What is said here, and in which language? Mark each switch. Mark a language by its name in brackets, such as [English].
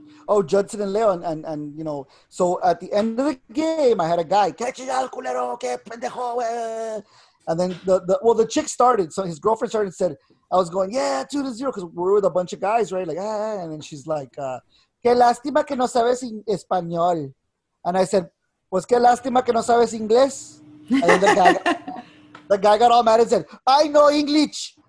[English] Oh, Judson and Leo, and you know, so at the end of the game, I had a guy, [Spanish] culero, que pendejo, [English] and then the chick started, so his girlfriend started and said, I was going, yeah, 2-0, because we're with a bunch of guys, right? Like, ah, and then she's like, [Spanish] que lastima que no sabes español. [English] And I said, [Spanish] pues que lastima que no sabes inglés. [English] And then the guy got all mad and said, I know English.